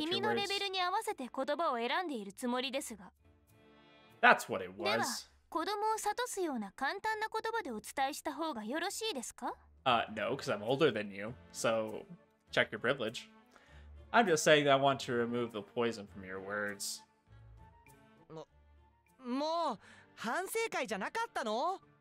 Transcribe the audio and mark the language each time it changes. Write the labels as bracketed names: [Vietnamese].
[Japanese] 君のレベルに合わせて言葉を選んでいるつもりですが。 [English] That's what it was. [Japanese] では、子供を諭すような簡単な言葉でお伝えした方がよろしいですか? [English] No, because I'm older than you. So, check your privilege. I'm just saying that I want to remove the poison from your words. [Japanese] もう反省会じゃなかったの?